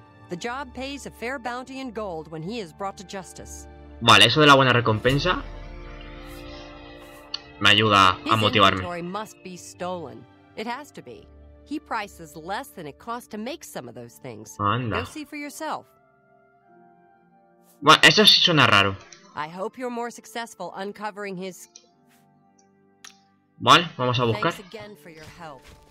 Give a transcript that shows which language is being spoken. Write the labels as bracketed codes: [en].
[en] The job pays a fair bounty in gold when he is brought to justice. [es] Vale, eso de la buena recompensa me ayuda a motivarme. [en] Inventory must be stolen. It has to be. He prices less than it costs to make some of those things. [es] Anda. [en] Go see for yourself. [es] Bueno, eso sí suena raro. [en] I hope you're more successful uncovering his. [es] Vale, vamos a buscar. [en] Thanks again for your help.